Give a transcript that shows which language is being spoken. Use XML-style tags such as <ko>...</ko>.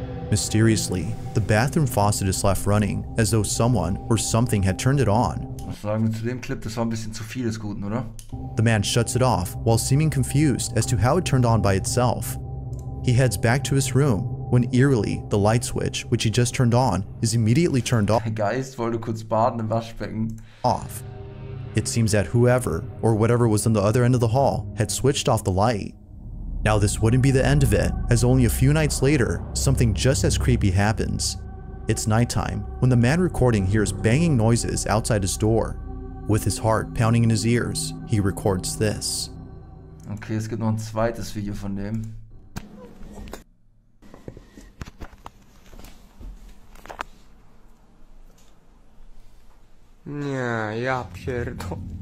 <en>Mysteriously, the bathroom faucet is left running as though someone or something had turned it on.</en> <de>Was sagen wir zu dem Clip? Das war ein bisschen zu viel des Guten, oder?</de> <en>The man shuts it off while seeming confused as to how it turned on by itself. He heads back to his room when eerily the light switch, which he just turned on, is immediately turned off.</en> <de>Der Geist wollte kurz baden im Waschbecken.</de> <en>Off. It seems that whoever or whatever was on the other end of the hall had switched off the light. Now this wouldn't be the end of it, as only a few nights later, something just as creepy happens. It's nighttime, when the man recording hears banging noises outside his door. With his heart pounding in his ears, he records this.</en> <de>Okay, es gibt noch ein zweites Video von dem.</de> <pl>Nie, ja pierdol.</pl>